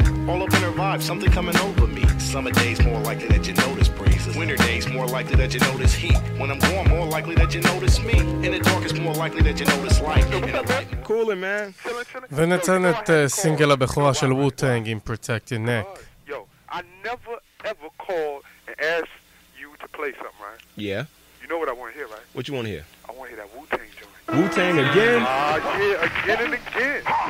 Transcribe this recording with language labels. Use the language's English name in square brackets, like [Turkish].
[English] All up in her vibe, something coming over me. Summer days more likely that you notice breezes. Winter days more likely that you notice heat. When I'm warm, more likely that you notice me. In the dark, it's more likely that you notice light. Cool it, man. [Hebrew] ונתן את סינגל הבכורה של Wu-Tang עם Protect Your Neck. [English] Yo, I never ever called and asked you to play something, right? Yeah. You know what I want to hear, right? What you want to hear? I want to hear that Wu-Tang joint. Wu-Tang again? Yeah, again and again.